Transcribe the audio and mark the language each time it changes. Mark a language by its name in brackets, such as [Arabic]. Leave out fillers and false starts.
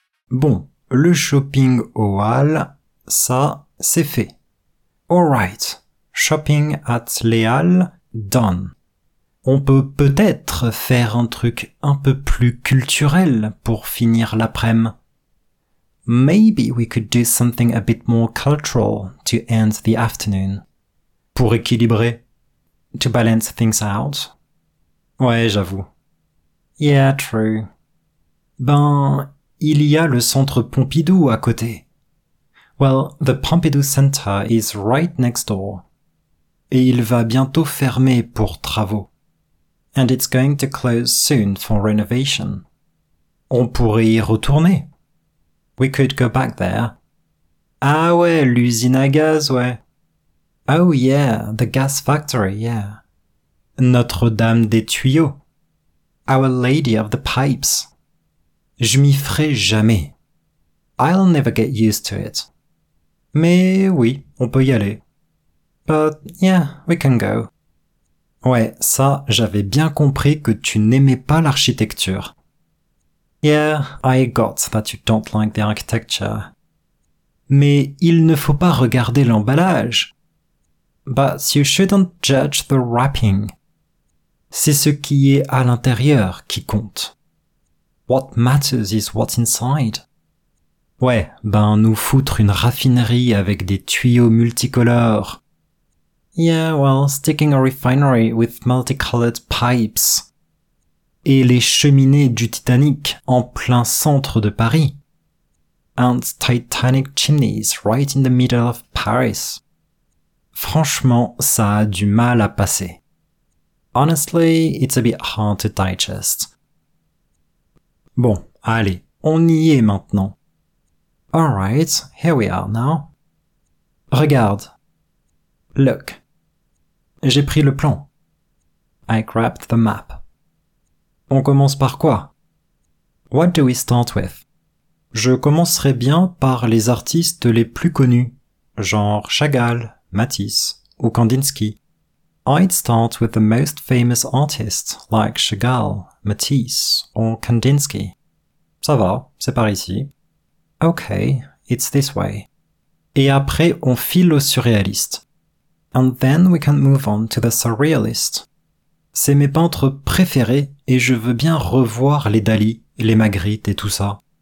[French] Bon. Le shopping au hall, ça, c'est fait. [English] Alright, shopping at Les Halles, done. [French] On peut peut-être faire un truc un peu plus culturel pour finir l'après-midi. [English] Maybe we could do something a bit more cultural to end the afternoon. [French] Pour équilibrer. [English] To balance things out. [French] Ouais, j'avoue. [English] Yeah, true. Ben... [French] Il y a le Centre Pompidou à côté. [English] Well, the Pompidou Center is right next door. [French] Et il va bientôt fermer pour travaux. [English] And it's going to close soon for renovation. [French] On pourrait y retourner. [English] We could go back there. [French] Ah ouais, l'usine à gaz, ouais. [English] Oh yeah, the gas factory, yeah. [French] Notre-Dame des tuyaux. [English] Our Lady of the Pipes. [French] Je m'y ferai jamais. [English] I'll never get used to it. [French] Mais oui, on peut y aller. [English] But yeah, we can go. [French] Ouais, ça, j'avais bien compris que tu n'aimais pas l'architecture. [English] Yeah, I got that you don't like the architecture. [French] Mais il ne faut pas regarder l'emballage. [English] But you shouldn't judge the wrapping. [French] C'est ce qui est à l'intérieur qui compte. [English] What matters is what's inside. [French] Ouais, ben nous foutre une raffinerie avec des tuyaux multicolores. [English] Yeah, well, sticking a refinery with multicolored pipes. [French] Et les cheminées du Titanic en plein centre de Paris. [English] And Titanic chimneys right in the middle of Paris. [French] Franchement, ça a du mal à passer. [English] Honestly, it's a bit hard to digest. [French] Bon, allez, on y est maintenant. [English] Alright, here we are now. [French] Regarde. [English] Look. [French] J'ai pris le plan. [English] I grabbed the map. [French] On commence par quoi? [English] What do we start with? [French] Je commencerai bien par les artistes les plus connus, genre Chagall, Matisse ou Kandinsky. [English] I'd start with the most famous artists like Chagall, Matisse or Kandinsky. [French] Ça va, c'est par ici. [English] Okay, it's this way. [French] Et après, on file aux surréalistes. [English] And then we can move on to the surrealists. [French] C'est mes peintres préférés et je veux bien revoir les Dali, les Magritte et tout ça.